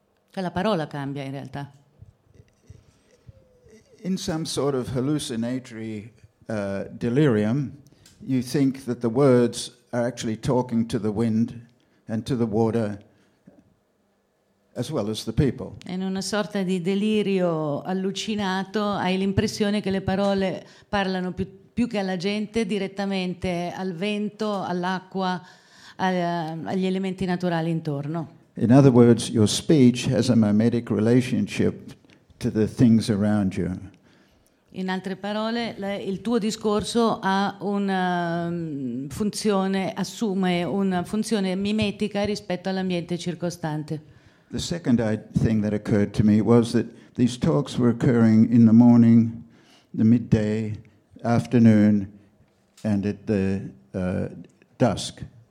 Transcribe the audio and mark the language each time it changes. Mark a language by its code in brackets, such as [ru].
[it] cioè la parola cambia in realtà. [en] In some sort of hallucinatory delirium, you think that the words are actually talking to the wind and to the water as well as the people. [it] In una sorta di delirio allucinato hai l'impressione che le parole parlano più che alla gente, direttamente al vento, all'acqua, agli elementi naturali intorno. [en] In other words, your speech has a mimetic relationship to the things around you. [it] In altre parole, il tuo discorso ha una funzione, assume una funzione mimetica rispetto all'ambiente circostante. [en] The second thing that occurred to me was that these talks were occurring in the morning, the midday, afternoon, and at the dusk.